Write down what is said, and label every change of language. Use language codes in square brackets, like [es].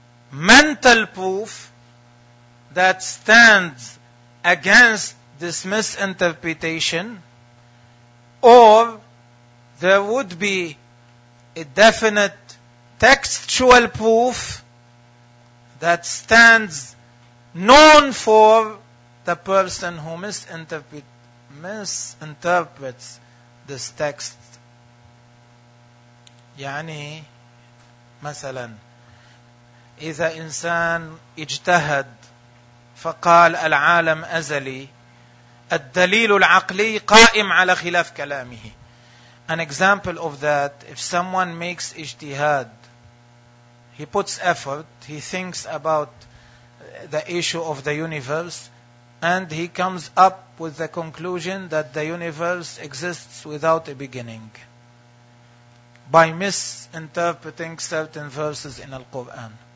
[en] mental proof that stands against this misinterpretation, or there would be a definite textual proof that stands known for the person who misinterprets this text. [ar] يعني مثلا إذا إنسان اجتهد فقال العالم أزلي، الدليل العقلي قائم على خلاف كلامه. [en] An example of that, if someone makes ijtihad, he puts effort, he thinks about the issue of the universe, and he comes up with the conclusion that the universe exists without a beginning by misinterpreting certain verses in Al-Quran.